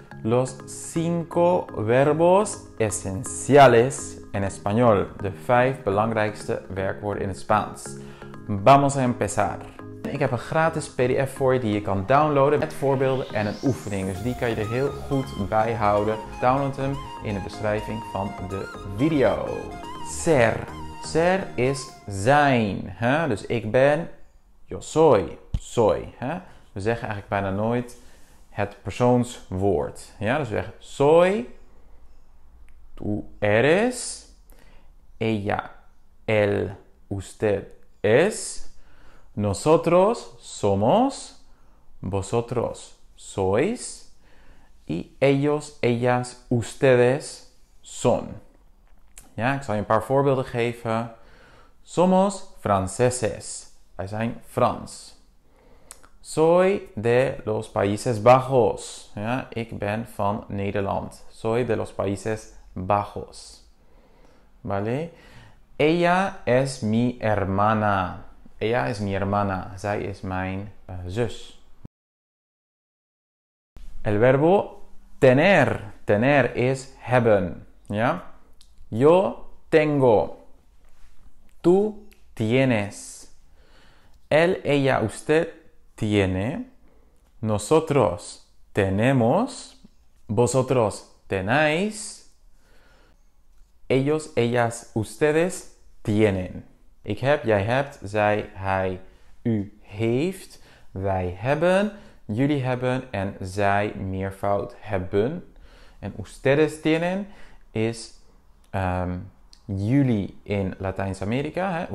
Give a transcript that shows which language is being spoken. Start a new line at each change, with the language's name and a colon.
Spanish: Los cinco verbos esenciales en español.
Dutch: De vijf belangrijkste werkwoorden in het Spaans.
Spanish: Vamos a empezar.
Dutch: Ik heb een gratis PDF voor je die je kan downloaden met voorbeelden en een oefening. Dus die kan je er heel goed bij houden. Download hem in de beschrijving van de video. Ser. Ser is zijn. Hè? Dus ik ben.
Spanish: Yo soy.
Dutch: Soy. Hè? We zeggen eigenlijk bijna nooit het persoonswoord. Ja, dus weg.
Spanish: Soy, tú eres, ella, él, usted es, nosotros somos, vosotros sois, y ellos, ellas, ustedes son.
Dutch: Ja, ik zal je een paar voorbeelden geven.
Spanish: Somos franceses.
Dutch: Wij zijn Frans.
Spanish: Soy de los Países Bajos.
Dutch: Ja, ik ben van Nederland.
Spanish: Soy de los Países Bajos. Vale. Ella es mi hermana. Ella es mi hermana.
Dutch: Zij is mijn zus.
Spanish: El verbo tener. Tener
Dutch: is hebben.
Spanish: Ja. Yo tengo. Tú tienes. Él, ella, usted. Tiene, nosotros tenemos, vosotros tenéis, ellos, ellas, ustedes tienen.
Dutch: Ik heb, jij hebt, zij, hij, u heeft, wij hebben, jullie hebben en zij meervoud hebben. En ustedes tienen is jullie in Latijns-Amerika, hè?